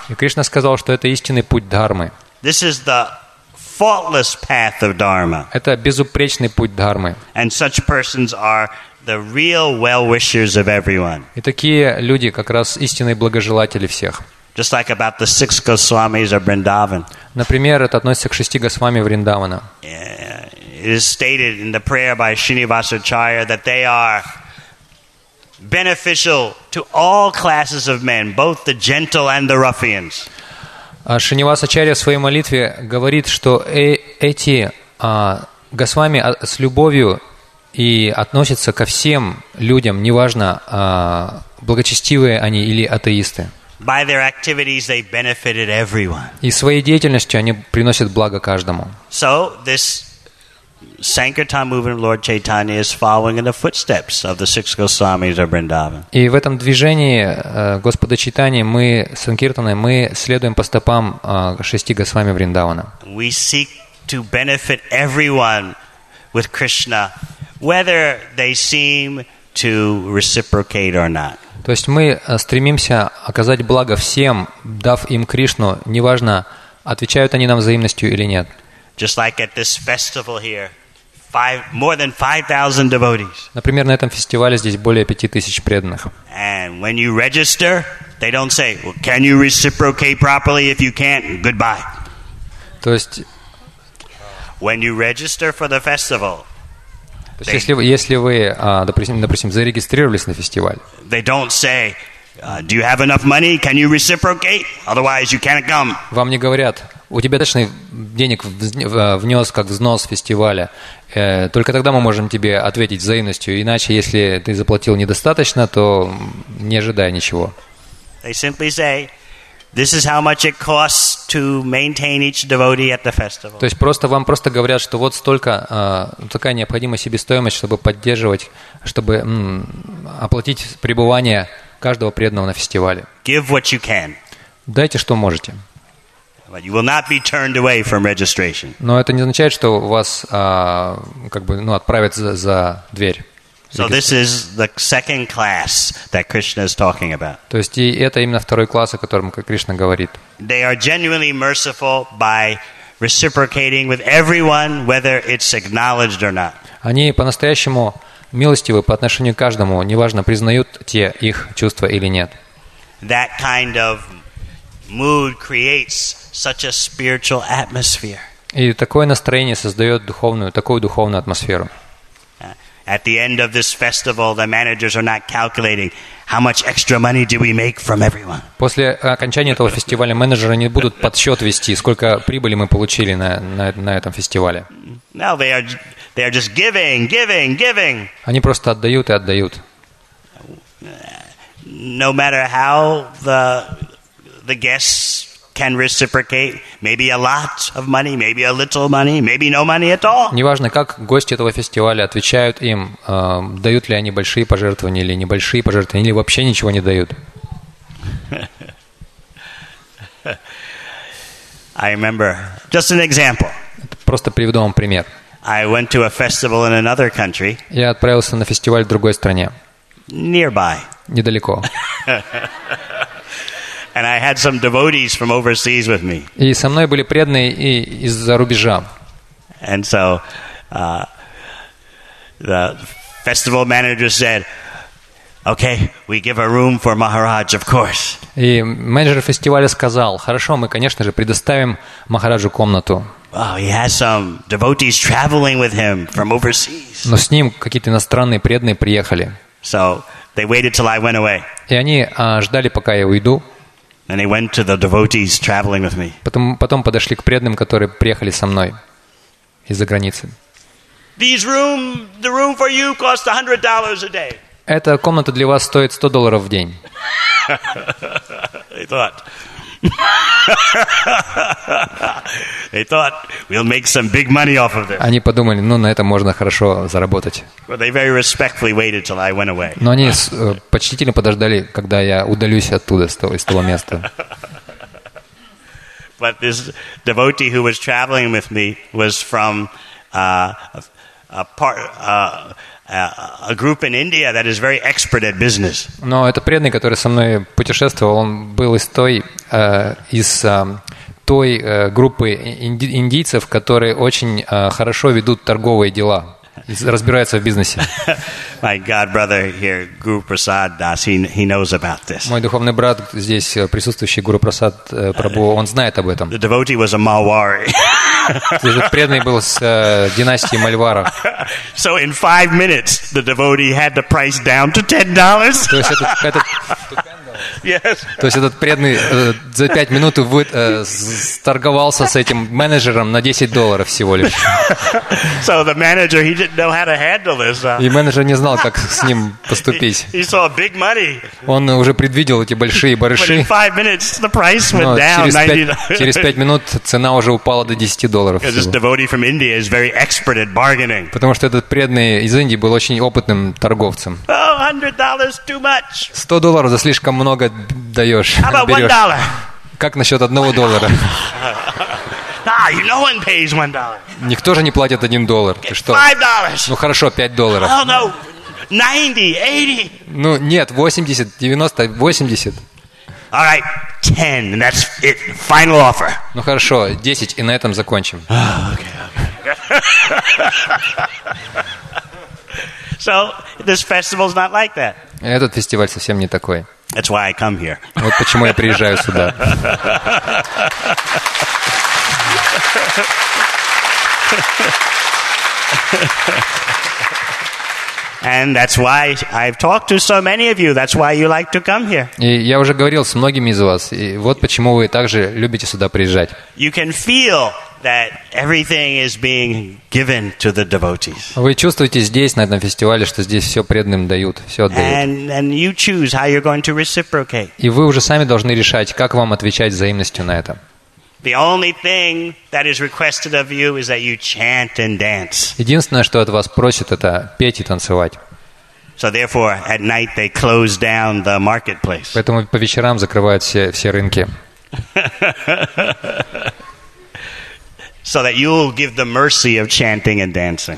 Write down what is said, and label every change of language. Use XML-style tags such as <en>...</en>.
<ru>И Кришна сказал, что это истинный путь дхармы.</ru> <en>This is the faultless path of dharma.</en> <ru>Это безупречный путь дхармы.</ru> <en>And such persons are the real well-wishers of everyone.</en> <ru>И такие люди как раз истинные благожелатели всех.</ru> <en>Just like about the six Goswamis of Vrindavan.</en> <ru>Например, это относится к шести Госвами Вриндавана.</ru> <en>It is stated in the prayer by Srinivasacharya that they are beneficial to all classes of men, both the gentle and the ruffians.</en> <ru>Шринивасачарья в своей молитве говорит, что эти Госвами с любовью и относятся ко всем людям, неважно, благочестивые они или атеисты.</ru> <en>By their activities, they benefited everyone.</en> <ru>И своей деятельностью они приносят благо каждому.</ru> <en>So, this Sankirtan movement of Lord Chaitanya is following in the footsteps of the six Goswamis of Vrindavan.</en> <ru>И в этом движении Господа Чайтаньи мы санкиртаны, мы следуем по стопам шести Госвами Вриндавана.</ru> <en>We seek to benefit everyone with Krishna, whether they seem to reciprocate or not.</en> <ru>То есть мы стремимся оказать благо всем, дав им Кришну, неважно, отвечают они нам взаимностью или нет.</ru> <en>Just like at this festival here, more than 5,000 devotees.</en> <ru>Например, на этом фестивале здесь более 5,000 преданных.</ru> <en>And when you register, they don't say, "Well, can you reciprocate properly? If you can't, goodbye."</en> <ru>То есть,</ru> <en>when you register for the festival,</en> <ru>то есть, если вы, допустим, зарегистрировались на фестиваль,</ru> <en>they don't say, "Do you have enough money? Can you reciprocate? Otherwise, you can't come."</en> <ru>Вам не говорят: у тебя точно денег внес как взнос фестиваля. Только тогда мы можем тебе ответить взаимностью. Иначе, если ты заплатил недостаточно, то не ожидай ничего.</ru> <en>They simply say, "This is how much it costs to maintain each devotee at the festival."</en> <ru>То есть просто вам просто говорят, что вот столько такая необходимая себестоимость, чтобы поддерживать, чтобы оплатить пребывание каждого преданного на фестивале.</ru> <en>Give what you can.</en> <ru>Дайте, что можете.</ru> <en>But you will not be turned away from registration.</en> <ru>Но это не означает, что вас отправят за дверь.</ru> <en>So this is the second class that Krishna is talking about.</en> <ru>То есть это именно второй класс, о котором Кришна говорит.</ru> <en>They are genuinely merciful by reciprocating with everyone, whether it's acknowledged or not.</en> <ru>Они по-настоящему милостивы по отношению к каждому, неважно, признают те их чувства или нет.</ru> <en>That kind of mood creates such a spiritual atmosphere.</en> <ru>И такое настроение создает такую духовную атмосферу.</ru> <en>At the end of this festival, the managers are not calculating how much extra money do we make from everyone.</en> <ru>После окончания этого фестиваля менеджеры не будут подсчет вести, сколько прибыли мы получили на этом фестивале.</ru> <en>Now they are just giving.</en> <ru>Они просто отдают и отдают.</ru> <en>No matter how the guests can reciprocate, maybe a lot of money, maybe a little money, maybe no money at all.</en> <ru>Неважно, как гости этого фестиваля отвечают им, дают ли они большие пожертвования или небольшие пожертвования, или вообще ничего не дают.</ru> <en>I remember. Just an example.</en> <ru>Просто приведу вам пример.</ru> <en>I went to a festival in another country.</en> <ru>Я отправился на фестиваль в другой стране.</ru> <en>Nearby.</en> <ru>Недалеко.</ru> <en>And I had some devotees from overseas with me.</en> <ru>И со мной были преданные и из-за рубежа.</ru> <en>And so the festival manager said, "Okay, we give a room for Maharaj, of course."</en> <ru>И менеджер фестиваля сказал: "Хорошо, мы, конечно же, предоставим Махараджу комнату."</ru> <en>Oh, he has some devotees traveling with him from overseas.</en> <ru>Но с ним какие-то иностранные преданные приехали.</ru> <en>So they waited till I went away.</en> <ru>И они ждали, пока я уйду.</ru> <en>And he went to the devotees traveling with me.</en> <ru>Потом подошли к преданным, которые приехали со мной из-за границы.</ru> <en>The room for you costs $100 a day.</en> <ru>Эта комната для вас стоит $100 в день.</ru> <en>They thought we'll make some big money off of this.</en> <ru>Они подумали, ну на этом можно хорошо заработать.</ru> <en>But they very respectfully waited till I went away.</en> <ru>Но они почтительно подождали, когда я удалюсь оттуда, из того места.</ru> <en>But this devotee who was traveling with me was from a group in India that is very expert at business.</en> <ru>Но этот преданный, который со мной путешествовал, он был из той группы индийцев, которые очень хорошо ведут торговые дела, разбираются в бизнесе.</ru> <en>My god brother here, Guru Prasad Das, he knows about this.</en> <ru>Мой духовный брат здесь присутствующий, Гуру Прасад Прабху, он знает об этом.</ru> <en>The devotee was a Malwari.</en> <ru>Этот преданный был с династии Мальвара.</ru> <en>So in 5 minutes the devotee had the price down to $10.</en> <ru>То есть этот</ru> <en>Yes.</en> <ru>То есть этот преданный за 5 минут торговался с этим менеджером на $10 всего лишь.</ru> <en>So the manager, he didn't know how to handle this.</en> <ru>И менеджер не знал, как с ним поступить.</ru> <en>He saw big money.</en> <ru>Он уже предвидел эти большие барыши.</ru> <en>But in 5 minutes the price went down $90.</en> <ru>Через 5 минут цена уже упала до $10.</ru> <en>Because this devotee from India is very expert at bargaining.</en> <ru>Потому что этот преданный из Индии был очень опытным торговцем.</ru> <en>Oh, $100 too much.</en> <ru>$100 за слишком много. Много даешь,</ru> <en>How about $1?</en> <ru>Как насчет $1?</ru> <en>No one pays $1.</en> <ru>Никто же не платит $1. Ты что?</ru> <en>$5.</en> <ru>Ну хорошо, $5.</ru> <en>Oh, no. 90, 80.</en> <ru>Ну нет, 80, 90, 80.</ru> <en>All right, 10, and that's it. Final offer.</en> <ru>Ну хорошо, 10, и на этом закончим.</ru> <en>Okay. So this festival's not like that.</en> <ru>Этот фестиваль совсем не такой.</ru> <en>That's why I come here.</en> <ru>Вот почему я приезжаю сюда.</ru> <en>And that's why I've talked to so many of you. That's why you like to come here.</en> <ru>И я уже говорил с многими из вас, и вот почему вы также любите сюда приезжать.</ru> <en>You can feel that everything is being given to the devotees.</en> <ru>Вы чувствуете здесь, на этом фестивале, что здесь все преданным дают, все отдают.</ru> <en>And you choose how you're going to reciprocate.</en> <ru>И вы уже сами должны решать, как вам отвечать взаимностью на это.</ru> <en>The only thing that is requested of you is that you chant and dance.</en> <ru>Единственное, что от вас просят, это петь и танцевать.</ru> <en>So therefore, at night they close down the marketplace.</en> <ru>Поэтому по вечерам закрывают все рынки.</ru> <en>So that you'll give the mercy of chanting and dancing.</en>